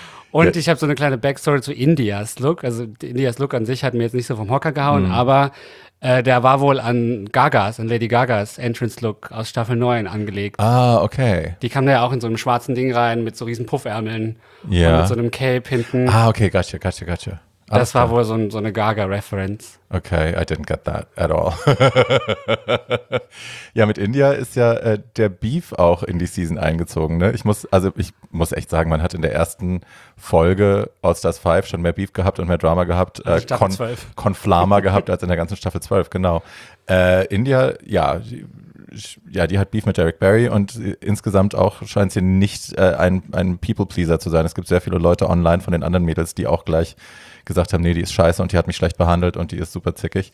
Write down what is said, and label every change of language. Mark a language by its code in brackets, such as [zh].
[de] Und ich habe so eine kleine Backstory zu Indias Look. Also Indias Look an sich hat mir jetzt nicht so vom Hocker gehauen, aber der war wohl an Gagas, an Lady Gagas Entrance Look aus Staffel 9 angelegt. Ah, okay. Die kam da ja auch in so einem schwarzen Ding rein mit so riesen Puffärmeln und mit so einem Cape hinten. [en] Ah, okay, gotcha. [de] Das war wohl so eine Gaga-Reference. [en] Okay, I didn't get that at all. [de] Ja, mit India ist ja der Beef auch in die Season eingezogen. Ne? Ich muss echt sagen, man hat in der ersten Folge All Stars 5 schon mehr Beef gehabt und mehr Drama gehabt. Konflama gehabt als in der ganzen Staffel 12, genau. India, die hat Beef mit Derek Barry und insgesamt auch scheint sie nicht ein People-Pleaser zu sein. Es gibt sehr viele Leute online von den anderen Mädels, die auch gleich gesagt haben, nee, die ist scheiße und die hat mich schlecht behandelt und die ist super zickig.